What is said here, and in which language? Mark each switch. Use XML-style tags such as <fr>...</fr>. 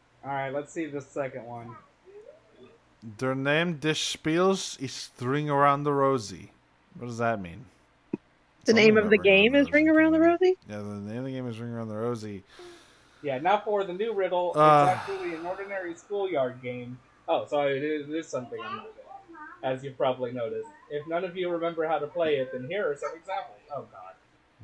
<en>Alright, let's see the second one.</en> <de>Der Name des Spiels ist Ring Around the Rosie.</de> <en>What does that mean? The name of the game is Ring Around the Rosie. Yeah, now for the new riddle. It's actually an ordinary schoolyard game. Oh, sorry, it is something. As you've probably noticed. If none of you remember how to play it, then here are some examples. Oh, God.</en>